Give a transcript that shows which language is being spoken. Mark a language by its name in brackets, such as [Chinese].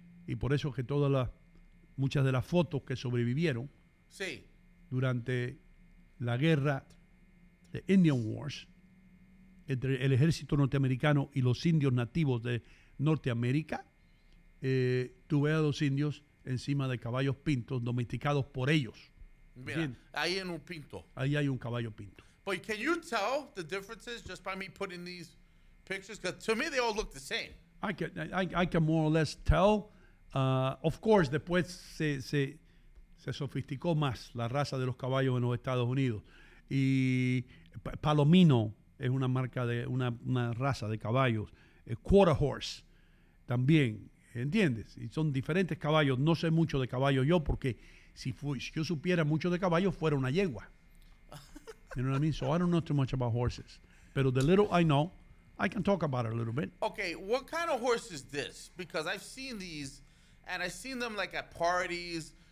[Spanish] Y por eso que muchas de las fotos que sobrevivieron durante la guerra de Indian Wars entre el ejército norteamericano y los indios nativos de Norteamérica, tuve a los indios encima de caballos pintos domesticados por ellos. Mira, ahí en un pinto. Ahí hay un caballo pinto. [English] But can you tell the differences just by me putting these pictures? Because to me, they all look the same. I can more or less tell. [Spanish] Of course, después se sofisticó más la raza de los caballos en los Estados Unidos. Y Palomino es una marca de una raza de caballos. Quarter horse también. ¿Entiendes? Y son diferentes caballos. No sé mucho de caballos yo, porque si yo supiera mucho de caballos, fuera una yegua. [English] You know what I mean? So I don't know too much about horses. [Spanish] Pero [English] the little I know, I can talk about it a little bit. Okay, what kind of horse is this? Because I've seen these, and I've seen them like at parties.